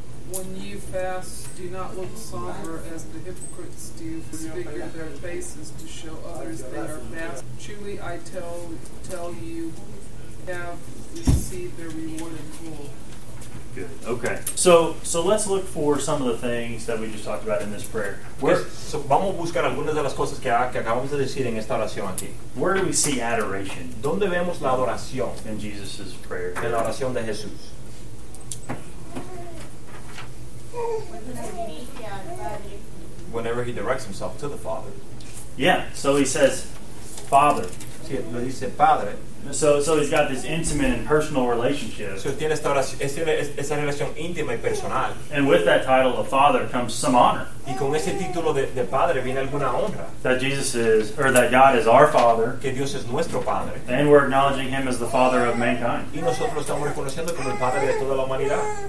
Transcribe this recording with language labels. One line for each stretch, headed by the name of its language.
English: When you fast, do not look somber as the hypocrites do, disfigure their faces to show others they are fast. Truly, I tell you, have received their reward in full. Good. Okay. So let's look for some of the things that we just talked about in this prayer.
Spanish: Vamos a buscar algunas de las cosas que acabamos de decir en esta oración aquí.
English: Where do we see adoration?
Spanish: ¿Dónde vemos la adoración?
English: In Jesus' prayer.
Spanish: En la oración de Jesús.
English: Whenever he directs himself to the Father. Yeah, so he says, Father.
Spanish: Sí, lo dice Padre.
English: So he's got this intimate and personal relationship.
Spanish: So tiene esta relación íntima y personal.
English: And with that title of Father comes some honor.
Spanish: Y con ese título de Padre viene alguna honra.
English: That Jesus is, or that God is our Father.
Spanish: Que Dios es nuestro Padre.
English: And we're acknowledging Him as the Father of mankind.
Spanish: Y nosotros estamos reconociendo como el Padre de toda la humanidad.